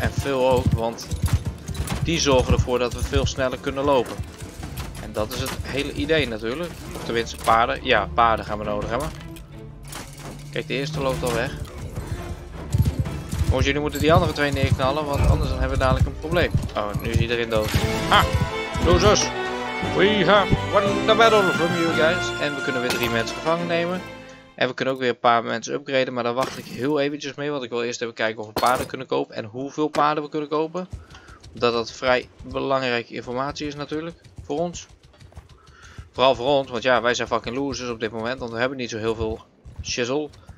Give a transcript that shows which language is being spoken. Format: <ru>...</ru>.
<nl>En veel ook, want die zorgen ervoor dat we veel sneller kunnen lopen. En dat is het hele idee natuurlijk. Of tenminste paarden. Ja, paarden gaan we nodig hebben. Kijk, de eerste loopt al weg. Jongens, jullie moeten die andere twee neerknallen, want anders dan hebben we dadelijk een probleem. Oh, nu is iedereen dood. Ha! Losers!</nl> <en>We have won the battle from you guys.</en> <nl>En we kunnen weer 3 mensen gevangen nemen. En we kunnen ook weer een paar mensen upgraden, maar daar wacht ik heel eventjes mee. Want ik wil eerst even kijken of we paarden kunnen kopen en hoeveel paarden we kunnen kopen. Omdat dat vrij belangrijke informatie is natuurlijk, voor ons. Vooral voor ons, want ja, wij zijn fucking losers op dit moment, want we hebben niet zo heel veel shizzle.</nl>